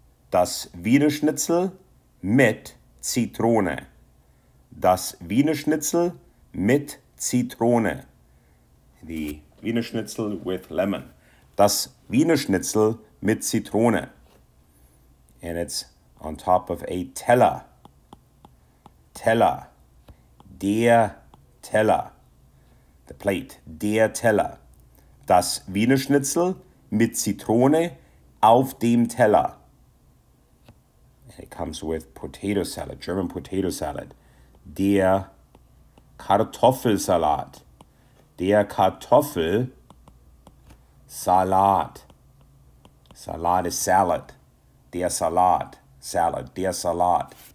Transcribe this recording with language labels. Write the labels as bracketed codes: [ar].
[de] Das Wiener Schnitzel mit Zitrone. Das Wiener Schnitzel mit Zitrone. Die Wiener Schnitzel [en] with lemon. [de] Das Wiener Schnitzel mit Zitrone. [en] And it's on top of a Teller. [de] Teller. Der Teller. [en] The plate. [de] Der Teller. Das Wiener Schnitzel mit Zitrone auf dem Teller. [en] And it comes with potato salad, German potato salad. [de] Der Kartoffelsalat. Der Kartoffelsalat. [en] Salat is salad. [de] Der Salat. Salad. Der Salat.